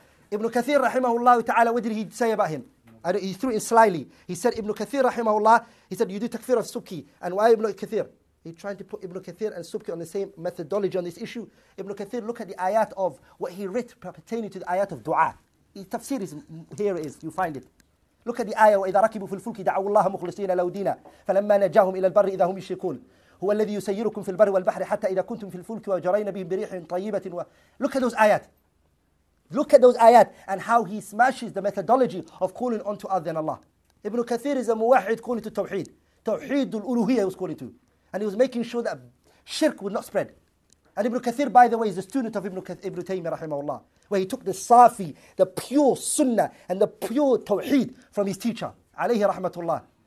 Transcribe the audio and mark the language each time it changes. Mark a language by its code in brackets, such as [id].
[en] Ibn Kathir, rahimahullah, ta'ala, what did he say about him? He threw in slyly. He said, Ibn Kathir, rahimahullah, he said, you do takfir of Subki. And why Ibn Kathir? He tried to put Ibn Kathir and Subki on the same methodology on this issue. Ibn Kathir, look at the ayat of what he writ pertaining to the ayat of dua. His tafsir is, here it is, you find it. Look at the ayah, [ar] وَإِذَا رَكِبُوا فِي الْفُلْكِ دَعَوُوا اللَّهَ مُخْلِصِينَ لَوْ دِينَ فَلَمَّا نَجَاهُمْ إِلَى الْبَرِّ إِذَا هُمْ يُشْرِكُونَ هُوَ الَّذِي يُسَيِّرُكُمْ فِي الْبَرِّ وَالْبَحْرِ حَتَّى إِذَا كُنْتُمْ فِي الْفُلْكِ وَجَرَيْنَ بِهِمْ بِرِيحٍ طَيِّبَةٍ. [en] Look at those ayat. Look at those ayat and how he smashes the methodology of calling onto other than Allah. Ibn Kathir is a muwahid calling to tawheed. Tawheedul uluhiyya he was calling to. And he was making sure that shirk would not spread. And Ibn Kathir, by the way, is a student of Ibn Taymiyyah rahimahullah, where he took the safi, the pure sunnah and the pure tawheed from his teacher, alayhi rahmatullah.